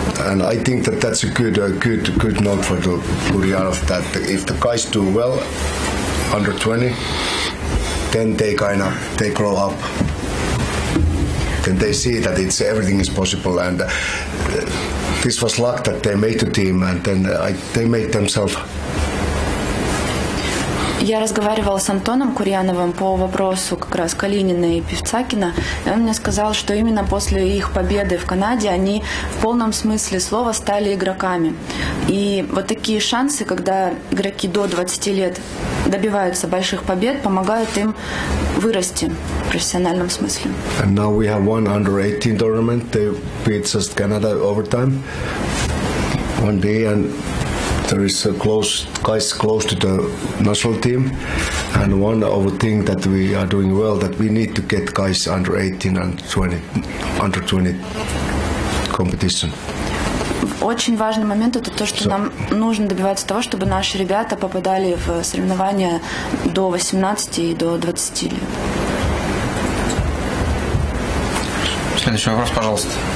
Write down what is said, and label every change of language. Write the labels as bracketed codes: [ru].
[en] And I think that that's a good note for the Buryanov, that if the guys do well under 20, then they grow up. Then they see that it's everything is possible. And this was luck that they made the team, and then they made themselves. [ru] Я разговаривала с Антоном Курьяновым по вопросу как раз Калинина и Певцакина. И он мне сказал, что именно после их победы в Канаде они в полном смысле слова стали игроками. И вот такие шансы, когда игроки до 20 лет добиваются больших побед, помогают им вырасти в профессиональном смысле. [en] And now we have one under 18 tournament. They beat just Canada overtime. One day and... There is a close to the national team, and one of the thing that we are doing well that we need to get guys under 18 and 20 under 20 competition. [ru] Очень важный момент это то, что нам нужно добиваться того, чтобы наши ребята попадали в соревнования до 18 и до 20 лет. Следующий вопрос, пожалуйста.